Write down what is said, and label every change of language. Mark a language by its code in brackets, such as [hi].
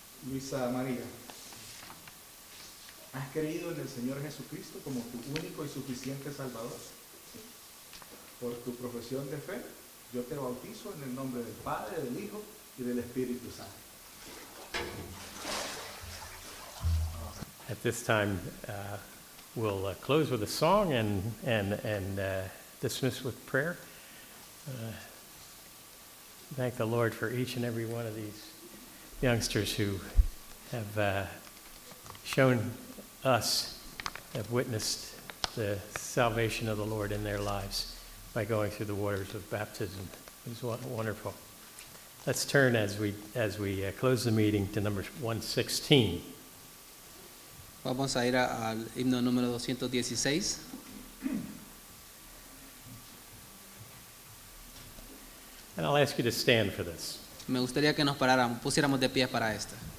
[es] Luisa María. ¿Has creído en el Señor Jesucristo como tu único y suficiente Salvador? Por tu profesión de fe, yo te bautizo en el nombre del Padre, del Hijo y del Espíritu Santo. [en] At this time, we'll close with a song and dismiss with prayer. Thank the Lord for each and every one of these youngsters who have shown us, have witnessed the salvation of the Lord in their lives by going through the waters of baptism. It was wonderful. Let's turn as we close the meeting to number 116. [es] Vamos a ir al himno número 216. [en] And I'll ask you to stand for this. [es] Me gustaría que nos paráramos, pusiéramos de pie para esta.